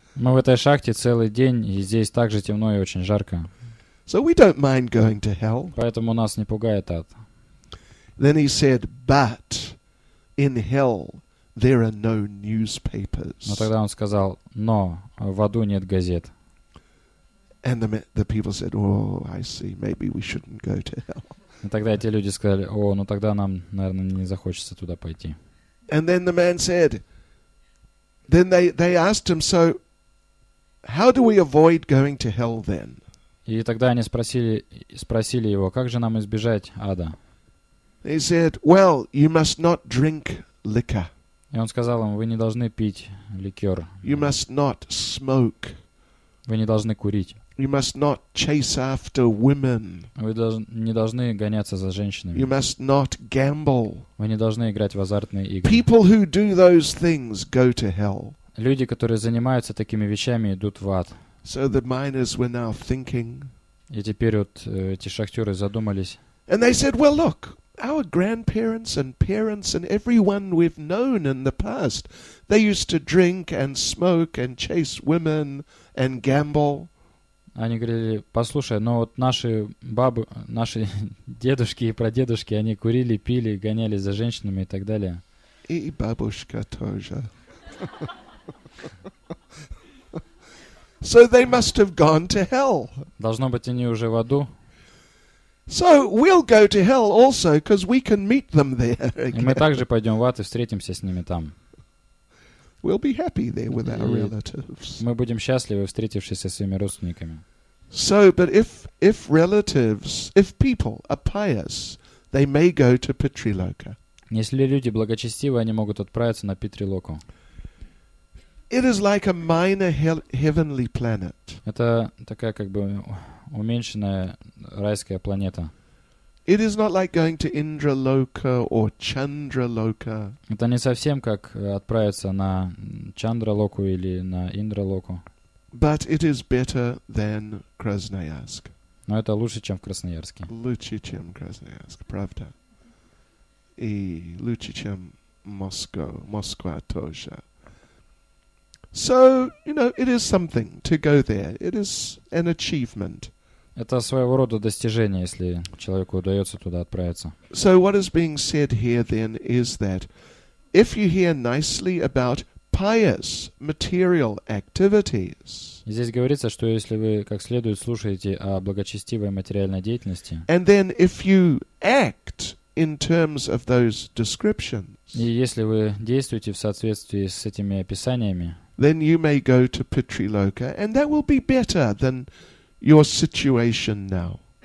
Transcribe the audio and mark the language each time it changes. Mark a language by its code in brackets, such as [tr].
[ru] Мы в этой шахте целый день, и здесь также темно и очень жарко. [en] So we don't mind going to hell. [ru] Поэтому нас не пугает ад. [en] Then he said, "But in hell there are no newspapers." [ru] Но тогда он сказал: "Но в аду нет газет." [en] And the people said, "Oh, I see. Maybe we shouldn't go to hell." [ru] И тогда эти люди сказали: "О, ну тогда нам, наверное, не захочется туда пойти." [en] And then the man said, then they asked him, "So how do we avoid going to hell then?" [ru] И тогда они спросили его, как же нам избежать ада? [en] He said, well, you must not drink liquor. [ru] И он сказал им, вы не должны пить ликер. [en] You must not smoke. [ru] Вы не должны курить. [en] You must not chase after women. [ru] Вы не должны гоняться за женщинами. [en] You must not gamble. [ru] Вы не должны играть в азартные игры. [en] People who do those things go to hell. [ru] Люди, которые занимаются такими вещами, идут в ад. [en] So the miners were now thinking. [ru] И теперь вот эти шахтеры задумались. [en] And they said, well, look, our grandparents and parents and everyone we've known in the past, they used to drink and smoke and chase women and gamble. [ru] Они говорили, послушай, но вот наши бабы, наши дедушки и прадедушки, они курили, пили, гонялись за женщинами и так далее. И бабушка тоже. [en] So they must have gone to hell. [ru] Должно быть, они уже в аду. [en] So we'll go to hell also, because we can meet them there again. [ru] И мы также пойдем в ад и встретимся с ними там. [en] We'll be happy there with our relatives. [ru] Мы будем счастливы, встретившись со своими родственниками. [en] So, but if relatives, if people are pious, they may go to Pitriloka. [ru] Если люди благочестивы, они могут отправиться на Питрилоку. [en] It is like a minor heavenly planet. [ru] Это такая как бы уменьшенная райская планета. [en] It is not like going to Indraloka or Chandraloka. [ru] Это не совсем как отправиться на Чандралоку или на Индралоку. [en] But it is better than Krasnoyarsk. [ru] Но это лучше, чем в Красноярске. Лучше, чем Красноярск, правда. И лучше, чем Москва тоже. [en] So, you know, it is something to go there. It is an achievement. [ru] Это своего рода достижение, если человеку удается туда отправиться. [en] So what is being said here then is that if you hear nicely about pious material activities. [ru] Здесь говорится, что если вы как следует слушаете о благочестивой материальной деятельности. [en] And then if you act in terms of those descriptions. [ru] И если вы действуете в соответствии с этими описаниями. [en] Then you may go to Pitriloka, and that will be better than your situation now.